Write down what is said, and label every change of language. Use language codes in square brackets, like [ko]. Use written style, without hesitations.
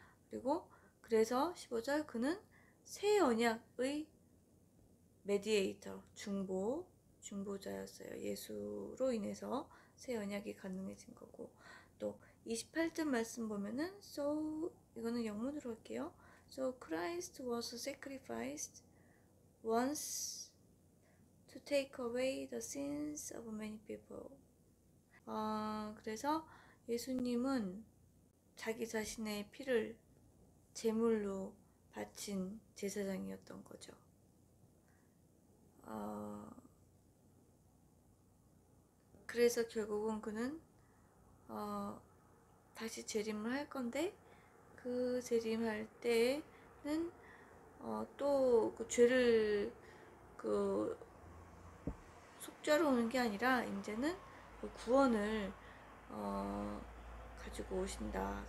[ko] 그리고 그래서 15절 그는 새 언약의 메디에이터, 중보자였어요. 예수로 인해서 새 언약이 가능해진 거고. 또 28절 말씀 보면은 So, 이거는 영문으로 할게요. [en] So Christ was sacrificed once to take away the sins of many people. [ko] 그래서 예수님은 자기 자신의 피를 제물로 바친 제사장이었던 거죠. 그래서 결국은 그는 다시 재림을 할 건데 그 재림할 때는 또 그 죄를 그 속죄로 오는 게 아니라 이제는 그 구원을 가지고 오신다.